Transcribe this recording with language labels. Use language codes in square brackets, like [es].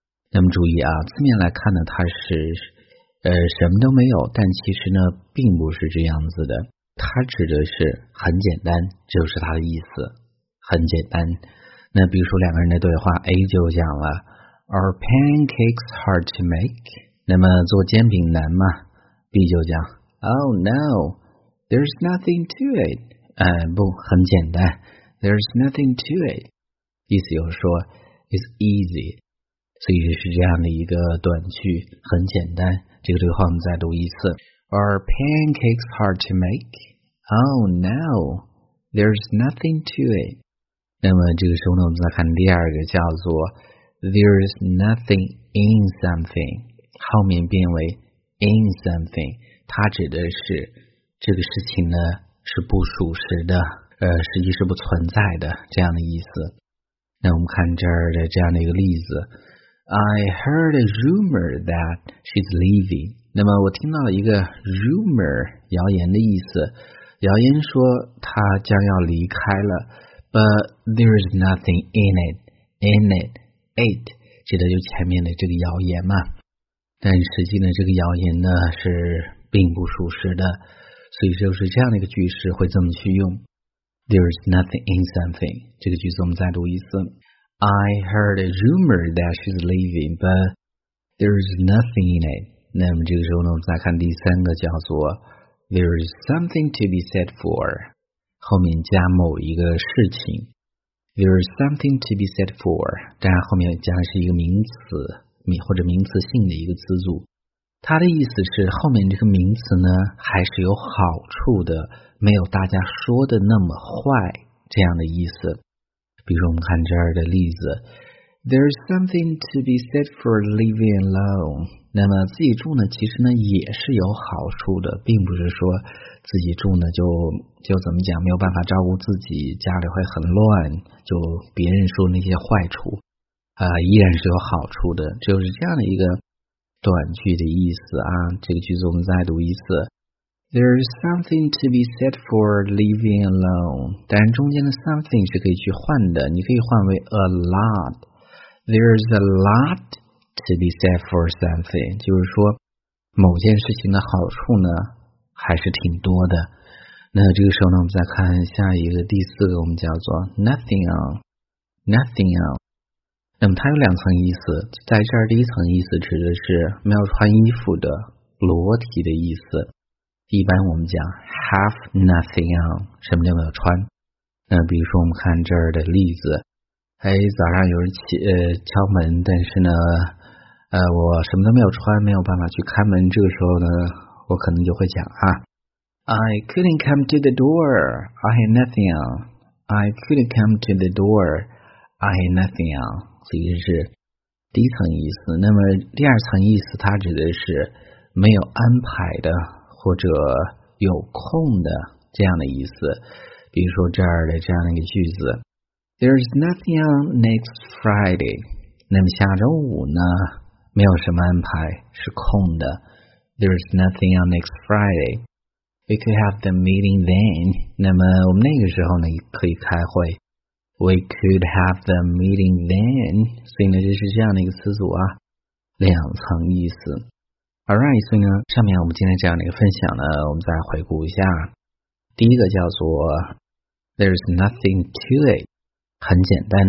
[zh] 那么注意啊，字面来看呢，它是什么都没有，但其实呢并不是这样子的，它指的是很简单，就是它的意思很简单。那比如说两个人的对话， A 就讲了 [en] Are pancakes hard to make? [zh] 那么做煎饼难吗？ [en] B 就讲 Oh no, there's nothing to it、 [zh] 不，很简单， [en] There's nothing to it， [zh] 意思就是说 [en] It's easy。 [zh] 所以是这样的一个短句，很简单。这个对话我们再读一次。 [en] Are pancakes hard to make? Oh no, there's nothing to it. [zh] 那么这个时候呢，我们再看第二个，叫做 [en] There's nothing in something. [zh] 后面变为 in something， 它指的是这个事情呢是不属实的，实际是不存在的，这样的意思。那我们看这儿的这样的一个例子， [en] I heard a rumor that she's leaving. [zh] 那么我听到了一个 rumor， 谣言的意思，谣言说她将要离开了。 [en] But there's nothing in it. [zh] In it, it 指的就前面的这个谣言嘛。但实际呢，这个谣言呢是并不属实的，所以就是这样的一个句式会这么去用。 [en] There's nothing in something. [zh] 这个句子我们再读一次。 [en] I heard a rumor that she's leaving, but there's nothing in it. [zh] 那么这个时候呢，我们再看第三个，叫做 [en] There's something to be said for. [zh] 后面加某一个事情。 [en] There's something to be said for. [zh] 当然后面加的是一个名词，或者名词性的一个词组。它的意思是后面这个名词呢，还是有好处的，没有大家说的那么坏，这样的意思。比如说我们看这儿的例子， [en] There's something to be said for living alone. [zh] 那么自己住呢，其实呢也是有好处的，并不是说自己住呢就怎么讲，没有办法照顾自己，家里会很乱，就别人说那些坏处依然是有好处的，就是这样的一个短句的意思啊。这个句子我们再读一次， [en] There's something to be said for living alone. [zh] 但中间的 something 是可以去换的，你可以换为 a lot. [en] There's a lot to be said for something. [zh] 就是说某件事情的好处呢还是挺多的。那这个时候呢，我们再看下一个，第四个，我们叫做 nothing on. [en] Nothing on. [zh] 那么它有两层意思，在这儿第一层意思指的是没有穿衣服的裸体的意思。一般我们讲 have nothing on， 什么都没有穿。那比如说我们看这儿的例子，哎，早上有人敲门，但是呢我什么都没有穿，没有办法去开门。这个时候呢我可能就会讲啊， [en] I couldn't come to the door, I had nothing on. I couldn't come to the door, I had nothing on. [zh] 其实是第一层意思。那么第二层意思它指的是没有安排的或者有空的，这样的意思。比如说这儿的这样的一个句子， [en] There's nothing on next Friday. [zh] 那么下周五呢没有什么安排，是空的。 [en] There's nothing on next Friday. We could have the meeting then. [zh] 那么我们那个时候呢可以开会， [en] We could have the meeting then. [zh] 所以呢就是这样的一个词组啊，两层意思。 Alright， 所以呢上面我们今天这样的一个分享呢，我们再回顾一下。第一个叫做 [en] There's nothing to it， [zh] 很简单。